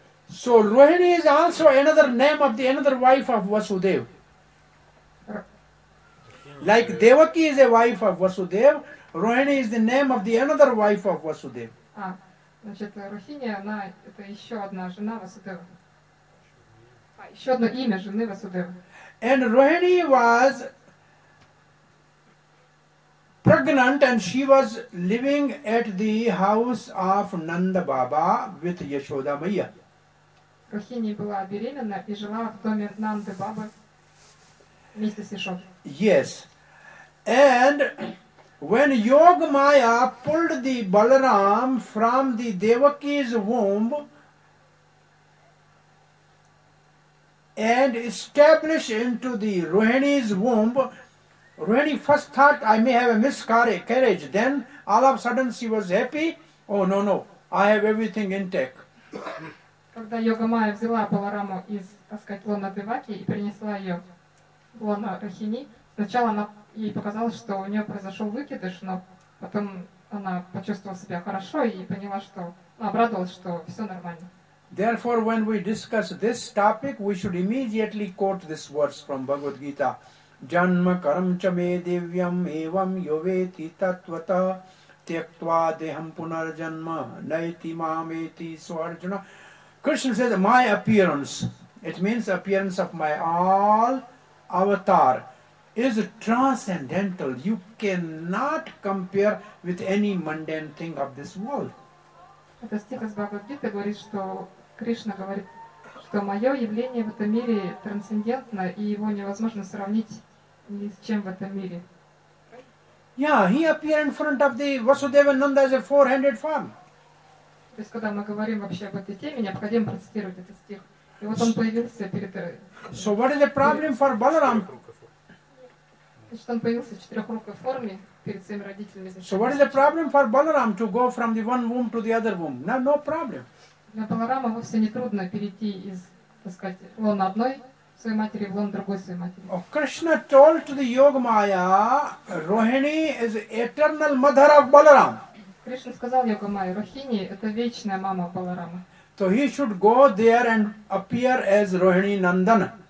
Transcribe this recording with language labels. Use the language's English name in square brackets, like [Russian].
[English] So Rohini is also another name of the another wife of Vasudev. Like Devaki is a wife of Vasudev, Rohini is the name of the another wife of Vasudev. [Russian] Значит, Рохини, она это еще одна жена Васудева. Еще одно имя жены Васудева. [English] And Rohini was pregnant and she was living at the house of Nanda Baba with Yashoda Maya. [Russian] Рохини была беременна и жила в доме Нанды Бабы вместе с Яшодой. [English] Yes. And when Yoga Maya pulled the Balaram from the Devaki's womb and established into the Rohini's womb, Rohini first thought, I may have a miscarriage. Then all of a sudden she was happy. Oh, no, I have everything intact. [Russian] Когда Йога Майя взяла Балараму из, так сказать, лона Деваки и принесла ее в лона Рохини, сначала она ей показалось, что у нее произошел выкидыш, но потом она почувствовала себя хорошо и поняла, что обрадовалась, что все нормально. [English] Therefore, when we discuss this topic, we should immediately quote this verse from Bhagavad Gita. [Sanskrit] Janma karam cha me devyam evam yoveti tatvata tyaktva deham punar janma naiti mameti swarjuna. [English] Krishna says, my appearance, it means appearance of my all avatar, is transcendental. You cannot compare with any mundane thing of this world. [Russian] Это стих из Бхагавад-гиты говорит, что Кришна говорит, что мое явление в этом мире трансцендентно, и его невозможно сравнить ни с чем в этом мире. [English] Yeah, he appeared in front of the Vasudeva Nanda as a four-handed form. [Russian] То есть, когда мы говорим вообще об этой теме, необходимо процитировать этот стих. И вот он появился перед... [English] So what is the problem for Balaram? [Russian] Значит, он появился в четырехрукой форме перед своими родителями. [English] So what is the problem for Balaram to go from the one womb to the other womb? No problem. [Russian] Для Баларама вовсе не трудно перейти из, так сказать, лона одной своей матери в лон другой своей матери. [English] Oh, Krishna told to the Yoga Maya, Rohini is eternal mother of Balaram. [Russian] Кришна сказал Йога Майе, Рохини – это вечная мама Баларама. [English] So he should go there and appear as Rohini Nandana.